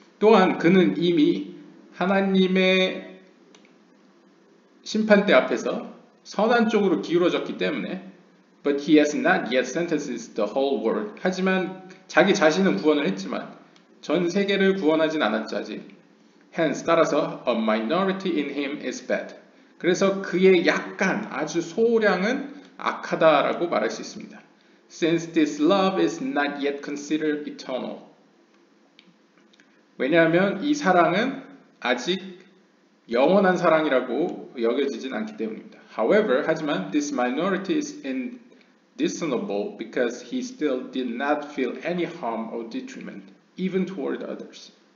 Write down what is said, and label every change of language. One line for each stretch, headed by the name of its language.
Korean: 또한 그는 이미 하나님의 심판대 앞에서 선한 쪽으로 기울어졌기 때문에
English: But he has not yet sentenced the whole world.
Korean: 하지만 자기 자신은 구원을 했지만 전 세계를 구원하진 않았지 아직.
English: Hence,
Korean: 따라서
English: a minority in him is bad.
Korean: 그래서 그의 약간, 아주 소량은 악하다라고 말할 수 있습니다.
English: Since this love is not yet considered eternal.
Korean: 왜냐하면 이 사랑은 아직 영원한 사랑이라고 여겨지진 않기 때문입니다.
English: However,
Korean: 하지만
English: this minority is in discernible because he still did not feel any harm or detriment even toward others.